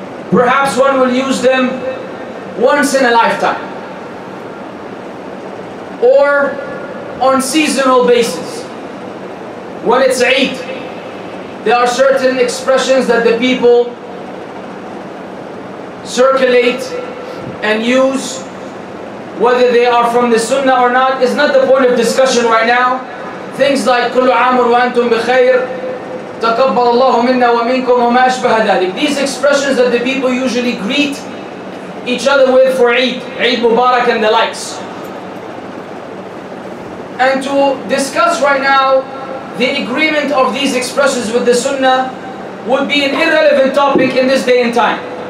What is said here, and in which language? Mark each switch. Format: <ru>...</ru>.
<en>Perhaps one will use them once in a lifetime or on seasonal basis. When it's Eid, there are certain expressions that the people circulate and use. Whether they are from the Sunnah or not is not the point of discussion right now. Things like</en> <ar>كُلُّ عَامٌ وَأَنْتُمْ بِخَيْرٍ تَقَبَّلَ اللَّهُ مِنَّا وَمِنْكُمْ وَمَا أَشْبَهَ ذَلِكَ.</ar> <en>These expressions that the people usually greet each other with for Eid, Eid Mubarak and the likes. And to discuss right now the agreement of these expressions with the Sunnah would be an irrelevant topic in this day and time.</en>